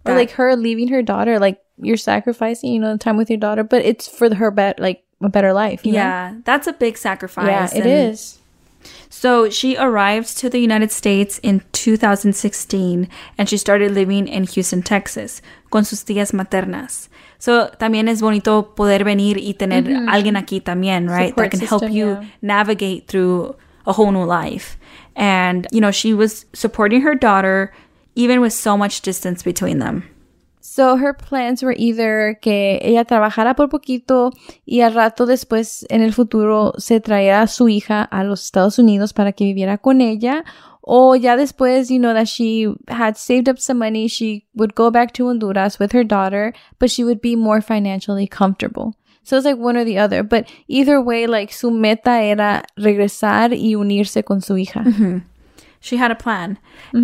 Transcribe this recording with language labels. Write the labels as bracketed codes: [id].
[en] But like her leaving her daughter, like you're sacrificing, you know, time with your daughter, but it's for her a better life. You know? That's a big sacrifice. Yeah, it is. So she arrived to the United States in 2016 and she started living in Houston, Texas, [es] con sus tías maternas. So también es bonito poder venir y tener alguien aquí también, right? [en] Support that can system, help you navigate through a whole new life. And, you know, she was supporting her daughter even with so much distance between them. So her plans were either [es] que ella trabajara por poquito y al rato después en el futuro se traía a su hija a los Estados Unidos para que viviera con ella, Ya después, [en] you know, that she had saved up some money, she would go back to Honduras with her daughter, but she would be more financially comfortable. So it's like one or the other. But either way, like, [es] su meta era regresar y unirse con su hija. [en] Mm-hmm. She had a plan. Mm-hmm.